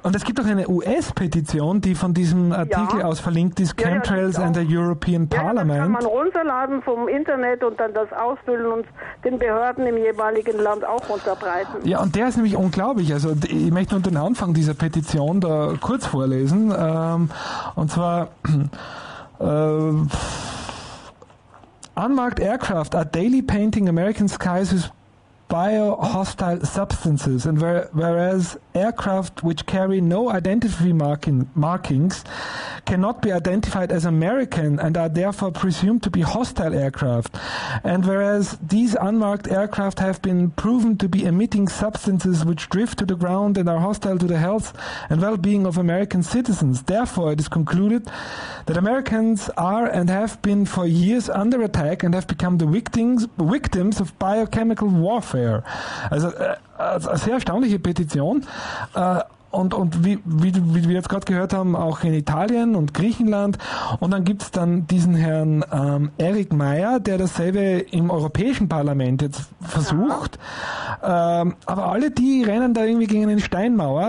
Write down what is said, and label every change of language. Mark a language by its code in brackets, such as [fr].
[de] Und es gibt auch eine US-Petition, die von diesem Artikel aus verlinkt ist, [en] Chemtrails and the European Parliament. [de] Ja, das kann man runterladen vom Internet und dann das ausfüllen und den Behörden im jeweiligen Land auch unterbreiten. Ja, und der ist nämlich unglaublich. Also ich möchte nur den Anfang dieser Petition da kurz vorlesen. Und zwar... [en] Unmarked aircraft are daily painting American skies with biohostile substances, and whereas aircraft which carry no identity markings cannot be identified as American and are therefore presumed to be hostile aircraft, and whereas these unmarked aircraft have been proven to be emitting substances which drift to the ground and are hostile to the health and well-being of American citizens, therefore it is concluded that Americans are and have been for years under attack and have become the victims of biochemical warfare. [de] Also eine sehr erstaunliche Petition. Und wie wir jetzt gerade gehört haben, auch in Italien und Griechenland. Und dann gibt es dann diesen Herrn Eric Meyer, der dasselbe im Europäischen Parlament jetzt versucht. Ja. Aber alle die rennen da irgendwie gegen eine Steinmauer.